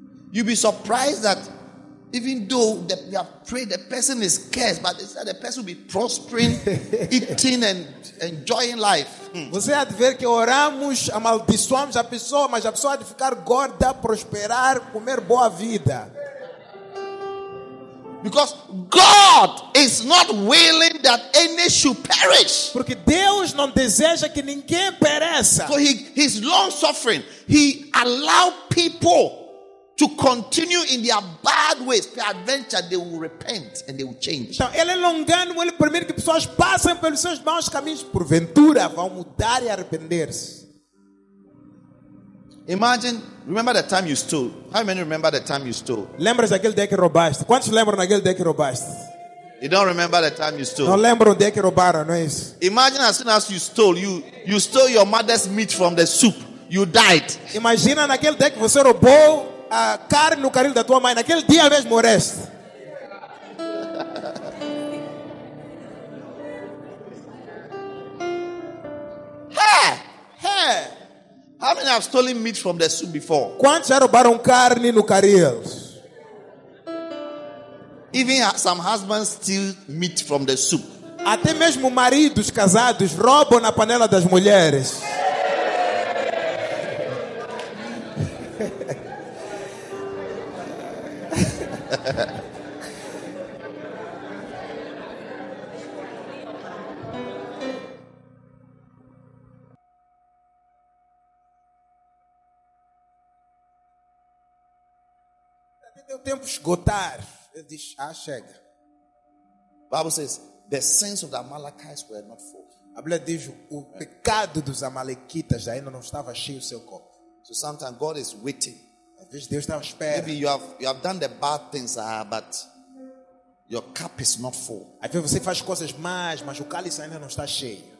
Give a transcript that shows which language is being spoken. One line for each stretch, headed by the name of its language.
English: You'll be surprised that even though we have prayed, the person is cursed, but it's that the person will be prospering, eating and enjoying life.
Portuguese: Você há de ver que oramos, amaldiçoamos a pessoa, mas a pessoa há de ficar gorda, prosperar, comer boa vida.
English: Because God is not willing that any should perish.
Portuguese: Porque Deus não deseja que ninguém pereça.
English: So he's long suffering. He allow people to continue in their bad ways, peradventure they will repent and they will change.
Portuguese: Então, ele é longânimo, ele permite que pessoas passem pelos seus maus caminhos, porventura vão mudar e arrepender-se.
English: Remember the time you stole. How many remember the time you stole?
Portuguese: Lembras daquele dia que roubaste? Quantos lembram daquele dia que roubaste?
English: You don't remember the time you stole.
Portuguese: Não lembro onde é que roubaram, não é isso?
English: Imagine as soon as you stole, you stole your mother's meat from the soup. You died.
Portuguese: Imagina naquele dia que você roubou a carne no caril da tua mãe, naquele dia mesmo moreste.
English: How many have stolen meat from the soup before?
Portuguese: Quantos já roubaram carne no caril?
English: Even some husbands steal meat from the soup.
Portuguese: Até mesmo maridos casados roubam na panela das mulheres. Deu tempo esgotar. Ele diz, ah, chega.
English: Bible says the sins of the Amalekites were not full.
Portuguese: A Bíblia diz o pecado dos amalequitas ainda não estava cheio o seu copo.
English: So sometimes God is waiting.
Portuguese: Deus está à espera.
English: Maybe you have done the bad things, but your cup is not full.
Portuguese: Às vezes você faz coisas más, mas o cálice ainda não está cheio.